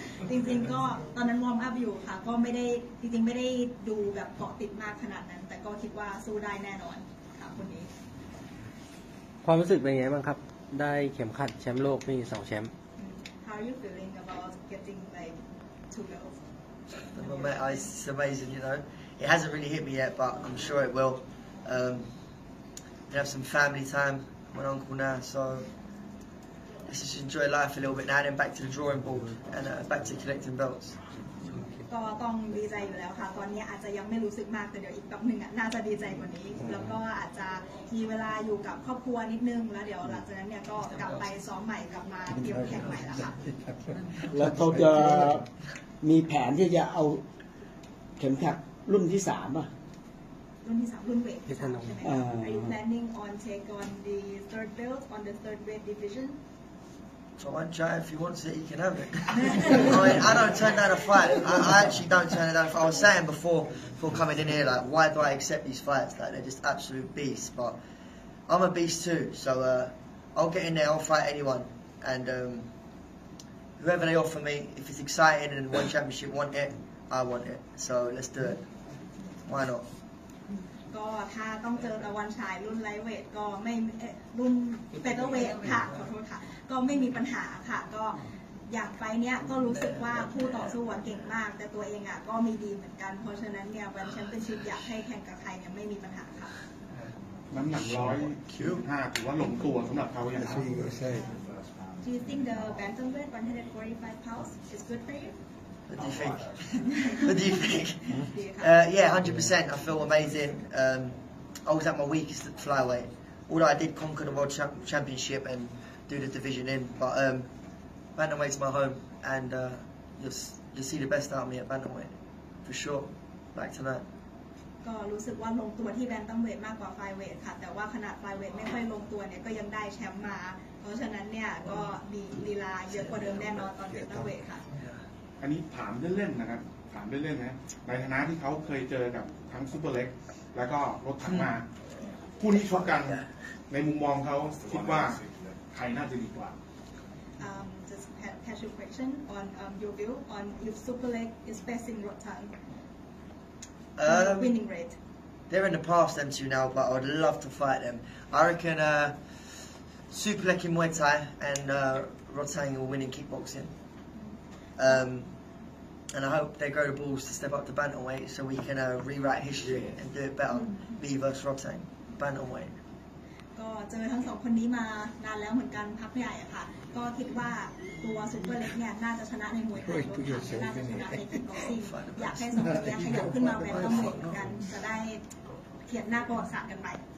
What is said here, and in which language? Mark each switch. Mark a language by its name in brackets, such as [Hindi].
[Thai] จริงๆก็ตอนนั้นวอร์มอัพอยู่ค่ะก็ไม่ได้จริงๆไม่ได้ดูแบบเกาะติดมากขนาดนั้นแต่ก็คิดว่าสู้ได้แน่นอนค่ะคนนี้ ความรู้สึกเป็นไงบ้างครับได้เข็มขัดแชมป์โลกมี2แชมป์ [English] How are you feeling about getting like 2 belts? The moment is amazing, you know. It hasn't really hit me yet, but I'm sure it will. I have some family time with my uncle now, so let's just enjoy life a little bit now and then back to the drawing board and back to collecting belts. [Thai] ก็ต้องดีใจอยู่แล้วค่ะตอนนี้อาจจะยังไม่รู้สึกมากแต่เดี๋ยวอีกแป๊บนึงอ่ะน่าจะดีใจกว่านี้แล้วก็อาจจะมีเวลาอยู่กับครอบครัวนิดนึงแล้วเดี๋ยวหลังจากนั้นเนี่ยก็กลับไปซ้อมใหม่กลับมาเตรียมแข่งใหม่แล้ว ค แล้วเขาจะมีแผนที่จะเอาเข็มขัดรุ่นที่3อ่ะ รุ่นที่3รุ่นเวท ใช่ไหม [English] Are you planning on take on the third belt on the third weight division? So one try, if he wants it, he can have it. I don't turn down a fight. I actually don't turn it down. I was saying before coming in here, like, why do I accept these fights? Like, they're just absolute beasts. But I'm a beast too, so I'll get in there, I'll fight anyone. And whoever they offer me, if it's exciting and one championship want it, I want it. So let's do it. Why not? [Thai] ก็ถ้าต้องเจอตะวันชายรุ่นไลท์เวทก็ไม่รุ่นเฟเธอร์เวทค่ะขอโทษค่ะก็ไม่มีปัญหาค่ะก็อยากไปเนี้ยก็รู้สึกว่าคู่ต่อสู้เก่งมากแต่ตัวเองอ่ะก็มีดีเหมือนกันเพราะฉะนั้นเนี่ยแชมเปี้ยนชิพอยากให้แข่งกับใครเนี่ยไม่มีปัญหาค่ะ น้ำหนัก105ถือว่าหลงตัวสำหรับเขาอย่างนี้ใช่ [English] Do you think the bantamweight 145 pounds is good for you? What do you think? Yeah, 100%. I feel amazing. I was at my weakest at flyweight. Although I did conquer the world championship and do the division in, but bantamweight's my home, and you'll see the best out of me at bantamweight for sure. Back to that. [Thai] ก็รู้สึกว่าลงตัวที่แบนตัมเวทมากกว่าไฟเวทค่ะแต่ว่าขนาดไฟเวทไม่ค่อยลงตัวเนี่ยก็ยังได้แชมป์มาเพราะฉะนั้นเนี่ยก็มีลีลาเยอะกว่าเดิมแน่นอนตอนแบนตัมเวทค่ะ อันนี้ถามเล่นๆนะครับถามเล่นๆนะในฐานะที่เขาเคยเจอกับทั้งซูเปอร์เล็กแล้วก็รถถังมาคู่นี้ชกกันในมุมมองเขาคิดว่าใครน่าจะดีกว่า [English] Just casual question on your view on if super leg is facing รถถัง winning rate they're in the past them two now but I would love to fight them I reckon super leg in Muay Thai and รถถัง will win in kickboxingAnd I hope they grow the balls to step up to bantamweight so we can rewrite history and do it better. Me versus Rotten, bantamweight. [Thai] ก็เจอทั้งสองคนนี้มานานแล้วเหมือนกันพักใหญ่อะค่ะก็คิดว่าตัวซูเปอร์เล็กเนี่ยน่าจะชนะในมวยไทยน่าจะชนะในกีฬาซิ่งอยากให้สองคนนี้ขยับขึ้นมาแบนตัมเวทเหมือนกันจะได้เขียนหน้าประวัติศาสตร์กันไป